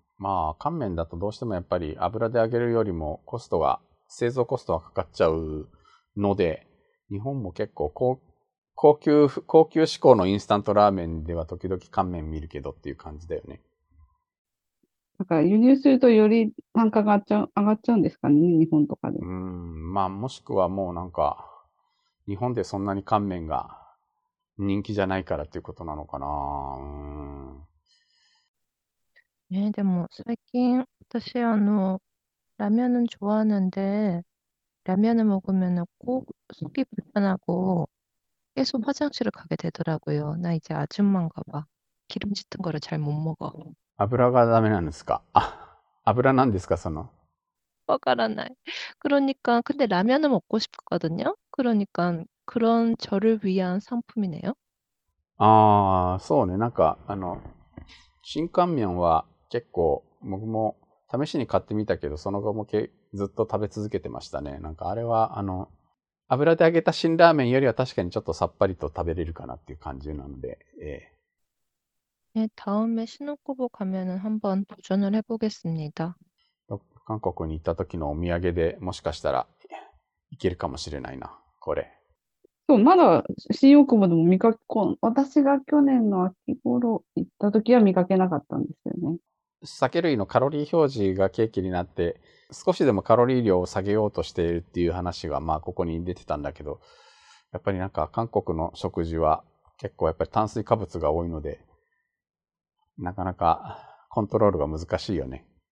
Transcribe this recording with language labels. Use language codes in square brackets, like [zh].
[ja] まあ、乾麺だとどうしてもやっぱり油で揚げるよりもコストが、製造コストはかかっちゃうので、日本も結構高級志向のインスタントラーメンでは時々乾麺見るけどっていう感じだよね。だから輸入するとより単価が上がっちゃうんですかね、日本とかで。まあもしくはもうなんか、日本でそんなに乾麺が人気じゃないからっていうことなのかな。ね、でも最近私ラーメンを [ko] 좋아하는데 라면을 먹으면 꼭 속이 불편하고 계속 화장실을 가게 되더라고요. 나 이제 아줌마인가 봐. 기름진 거를 잘못 먹어. [ja] 油がダメなんですか？あ、油なんですか、その。わからない。 [ko] 그러니까 근데 라면을 먹고 싶거든요. 그러니까 그런 저를 위한 상품이네요. [ja] 아, そうね。なんか、辛乾麺は結構、僕も試しに買ってみたけど、その後もずっと食べ続けてましたね。なんか、あれは、油で揚げた辛ラーメンよりは確かにちょっとさっぱりと食べれるかなっていう感じなので、 [ko] 네, 다음에 신혼부부 가면은 한번 도전을 해보겠습니다. [ja] 韓国に行った時のお土産でもしかしたらいけるかもしれないな、これ。そう、まだ新大久保でも見かけ、私が去年の秋頃行った時は見かけなかったんですよね。酒類のカロリー表示が契機になって、少しでもカロリー量を下げようとしているっていう話が、まあ、ここに出てたんだけど、やっぱりなんか韓国の食事は結構やっぱり炭水化物が多いので、なかなかコントロールが難しいよね。